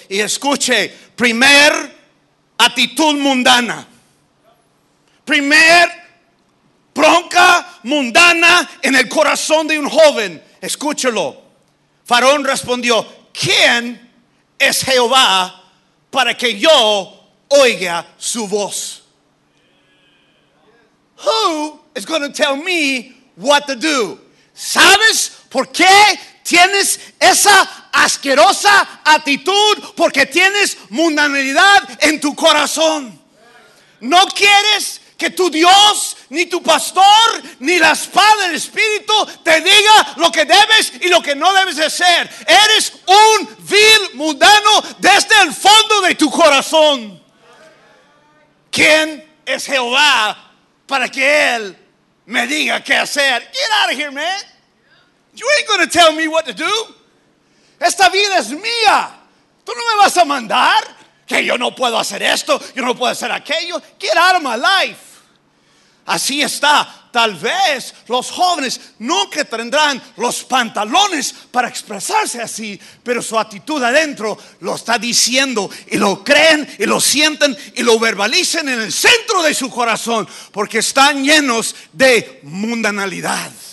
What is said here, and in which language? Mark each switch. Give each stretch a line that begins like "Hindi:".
Spanish: Y escuche, primer actitud mundana. Primer bronca mundana en el corazón de un joven. Escúchelo. Faraón respondió: ¿quién es Jehová para que yo oiga su voz?
English: Who is going to tell me what to do?
Spanish: ¿Sabes por qué tienes esa asquerosa actitud? Porque tienes mundanalidad en tu corazón. No quieres que tu Dios, ni tu pastor, ni la espada del Espíritu te diga lo que debes y lo que no debes de ser. Eres un vil mundano desde el fondo de tu corazón. ¿Quién es Jehová para que Él me diga qué hacer?
English: Get out of here, man. You ain't gonna tell me what to do.
Spanish: Esta vida es mía. Tú no me vas a mandar que yo no puedo hacer esto, yo no puedo hacer aquello.
English: Get out of my life.
Spanish: Así está. Tal vez los jóvenes nunca tendrán los pantalones para expresarse así, pero su actitud adentro lo está diciendo, y lo creen y lo sienten y lo verbalicen en el centro de su corazón, porque están llenos de mundanalidad.